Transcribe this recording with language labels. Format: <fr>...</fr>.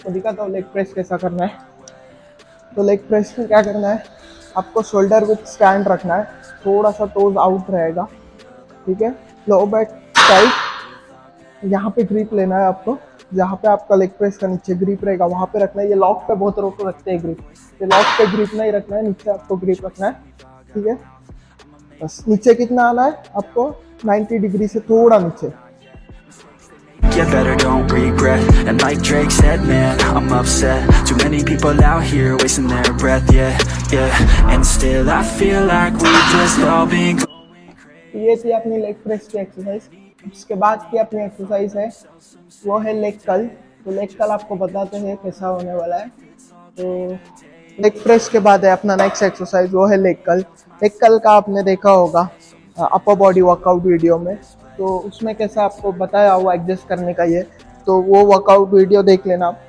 <hi>तो दिखाता हूँ लेग प्रेस कैसा करना है। तो लेग प्रेस में क्या करना है, आपको शोल्डर विथ स्टैंड रखना है, थोड़ा सा टोज आउट रहेगा ठीक है, लोअर बैक टाइट, यहाँ पे ग्रिप लेना है आपको, जहाँ पे आपका लेग प्रेस का नीचे ग्रिप रहेगा वहाँ पे रखना है। ये लॉक पे बहुत रोक रखते हैं ग्रिप, ये लॉक पे ग्रिप नहीं रखना है, नीचे आपको ग्रिप रखना है ठीक है। बस नीचे कितना आना है आपको, 90 डिग्री से थोड़ा नीचे।</hi> <en>You better don't regret, and like Drake said, man, I'm upset. Too many people out here wasting their breath, yeah, yeah. And still I feel like we just all been going crazy.</en> <hi>ये थी अपनी leg press की exercise. उसके बाद की अपनी exercise है वो है लेग कर्ल। तो लेग कर्ल आपको बताते हैं कैसा होने वाला है। तो लेग प्रेस के बाद है अपना नेक्स्ट एक्सरसाइज, वो है लेग कर्ल। लेग कर्ल का आपने देखा होगा अपर बॉडी वर्कआउट वीडियो में, तो उसमें कैसा आपको बताया हुआ एडजस्ट करने का ये, तो वो वर्कआउट वीडियो देख लेना।</hi>